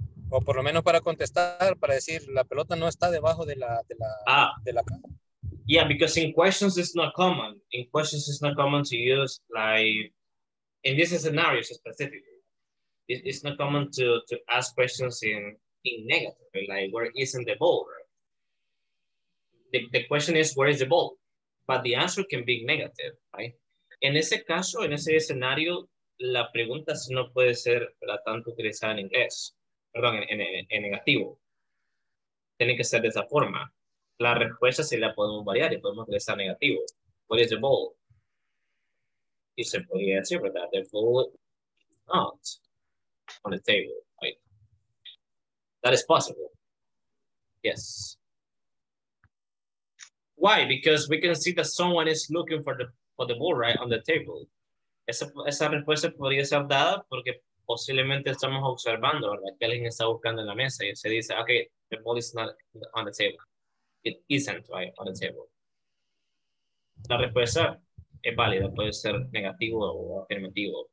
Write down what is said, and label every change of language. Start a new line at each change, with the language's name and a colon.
Spanish: O por lo menos para contestar, para decir la pelota no está debajo de la
English: cama. Yeah, because in questions it's not common. In questions it's not common to use like, in this scenario specifically, it's not common to ask questions in negative, like where isn't the ball, right? The question is, where is the ball? But the answer can be negative, right?
Spanish: En ese caso, en ese escenario, la pregunta no puede ser la tanto utilizada en inglés, perdón, en negativo. Tiene que ser de esa forma. La respuesta sí la podemos variar y podemos utilizar negativo.
English: Where is the ball?
Spanish: Y se podría decir, ¿verdad?
English: The ball is not on the table. That is possible, yes. Why? Because we can see that someone is looking for the ball, right, on the table.
Spanish: Esa respuesta podría ser dada porque posiblemente estamos observando, ¿verdad? Que alguien está buscando en la mesa y se dice, okay,
English: the ball is not on the table. It isn't, right, on the table.
Spanish: La respuesta es válida, puede ser negativo o afirmativo.